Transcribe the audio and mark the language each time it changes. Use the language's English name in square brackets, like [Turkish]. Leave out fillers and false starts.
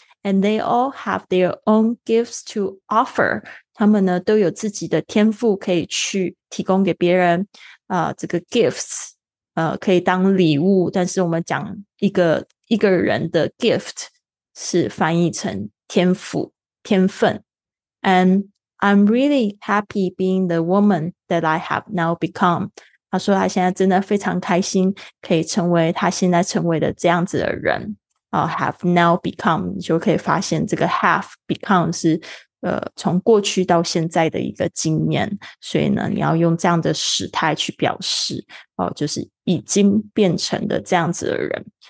[English] And they all have their own gifts to offer. [Chinese] 他们呢都有自己的天赋可以去提供给别人这个 gifts 可以当礼物，但是我们讲一个人的 gift 是翻译成天赋、天分。 [English] And I'm really happy being the woman that I have now become. [Chinese] 他说他现在真的非常开心可以成为他现在成为的这样子的人。 [English] Have now become, [Chinese] 你就可以发现这个 have become 是从过去到现在的一个经验，所以呢你要用这样的时态去表示就是已经变成的这样子的人。